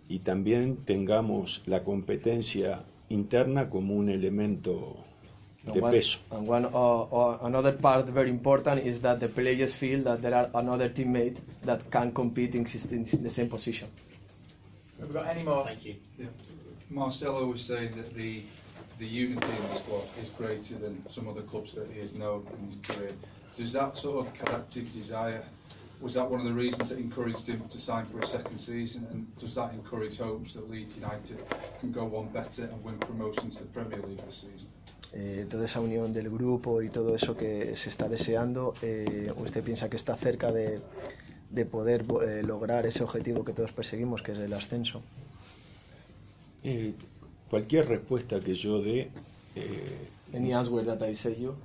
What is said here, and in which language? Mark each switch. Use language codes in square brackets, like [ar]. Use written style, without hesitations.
[es] Y también tengamos la competencia interna como un elemento de peso. [en] And one another part very important is that the players feel that there are another teammate that can compete in the same position. Have we got any more? Thank you. Yeah. Marcelo was saying that the unity in the squad is greater than some other clubs that he has known in his career. Does that sort of collective desire? Was that one of the reasons that encouraged him to sign for a second season? And does that encourage hopes that Leeds United can go on better and win promotion to the Premier League this season? [es] Toda esa unión del grupo y todo eso que se está deseando, ¿usted piensa que está cerca de poder lograr ese objetivo que todos perseguimos, que es el ascenso? Cualquier respuesta que yo dé [en] any answer that I say you.